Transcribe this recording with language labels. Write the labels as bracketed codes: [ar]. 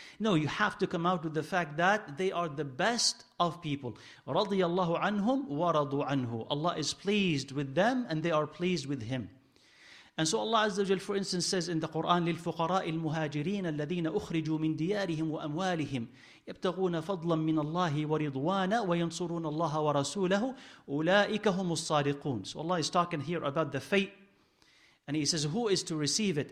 [en] No, you have to come out with the fact that they are the best of people. [ar] Radiyallahu anhum wa radu anhu. [en] Allah is pleased with them and they are pleased with him. And so Allah Azza wa Jalla, for instance, says in the Quran, [ar] لِلْفُقَرَاءِ الْمُهَاجِرِينَ الَّذِينَ أُخْرِجُوا مِنْ دِيَارِهِمْ وَأَمْوَالِهِمْ يَبْتَغُونَ فَضْلًا مِنَ اللَّهِ وَرِضْوَانًا وَيَنْصُرُونَ اللَّهَ وَرَسُولَهُ أُولَٰئِكَ هُمُ الصَّادِقُونَ. [en] So Allah is talking here about the fate, and he says, who is to receive it?